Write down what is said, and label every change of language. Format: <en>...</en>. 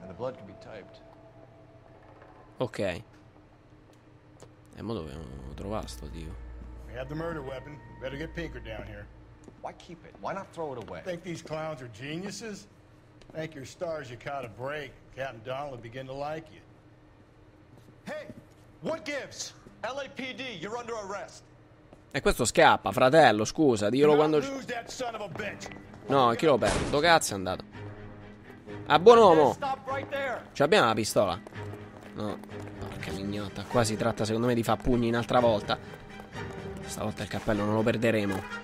<it>Vediamo. Ok. Mo dobbiamo trovare sto tio.</it> <en>We have the murder weapon. Better get Pinker down here. Why keep it? Why not throw it away? Think these clowns are geniuses? Thank your stars you caught a break. Captain Donald will begin to like you. Hey, what gives? LAPD, you're under arrest.</en> <it>E questo scappa, fratello, scusa, dillo quando.</it> <en>Lose that son of a bitch.</en> <it>No, chi l'ho perso? Dove cazzo è andato? A buon uomo! Ci abbiamo la pistola? No. Porca mignotta, qua si tratta secondo me di far pugni un'altra volta. Stavolta il cappello non lo perderemo.</it>